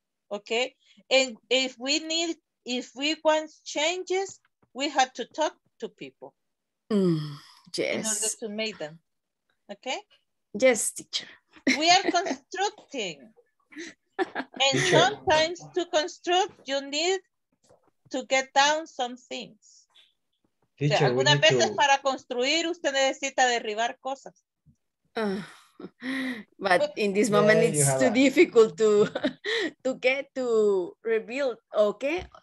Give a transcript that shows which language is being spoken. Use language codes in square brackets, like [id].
[en] Okay, and if we want changes, we have to talk to people. Yes, in order to make them. Okay. Yes, teacher. We are constructing, and teacher, sometimes to construct you need to get down some things. [es] Teacher, o sea, algunas veces para construir usted necesita derribar cosas. [en] But in this moment it's too difficult to get to rebuild, okay?